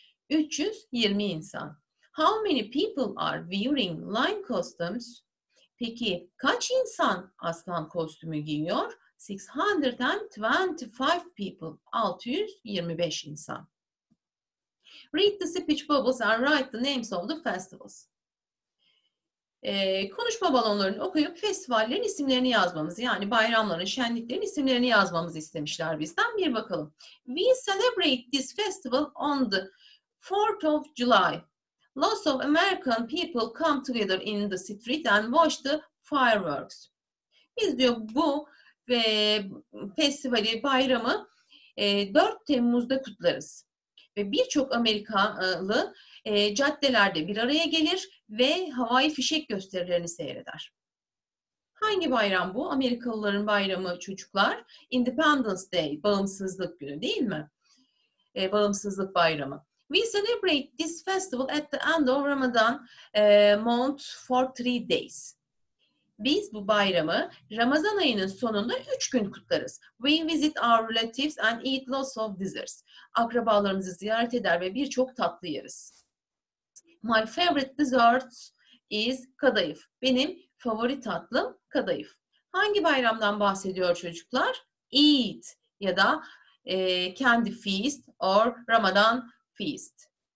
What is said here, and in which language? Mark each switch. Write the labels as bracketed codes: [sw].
[tr] 320 insan. [en] How many people are wearing lion costumes? [tr] Peki kaç insan aslan kostümü giyiyor? [en] 625 people. [tr] 625 insan. [en] Read the speech bubbles and write the names of the festivals. [tr] Konuşma balonlarını okuyup festivallerin isimlerini yazmamızı, yani bayramların, şenliklerin isimlerini yazmamızı istemişler bizden. Bir bakalım. [en] We celebrate this festival on the 4th of July. Lots of American people come together in the street and watch the fireworks. [tr] Biz diyor bu festivali, bayramı 4 Temmuz'da kutlarız. Ve birçok Amerikalı caddelerde bir araya gelir ve havai fişek gösterilerini seyreder. Hangi bayram bu? Amerikalıların bayramı çocuklar. Independence Day, bağımsızlık günü değil mi? Bağımsızlık bayramı. [en] We celebrate this festival at the end of Ramadan month for 3 days. [tr] Biz bu bayramı Ramazan ayının sonunda 3 gün kutlarız. [en] We visit our relatives and eat lots of desserts. [tr] Akrabalarımızı ziyaret eder ve birçok tatlı yeriz. [en] My favorite dessert is kadayıf. [tr] Benim favori tatlım kadayıf. Hangi bayramdan bahsediyor çocuklar? [en] Eid [tr] ya da [en] candy feast or Ramadan feast.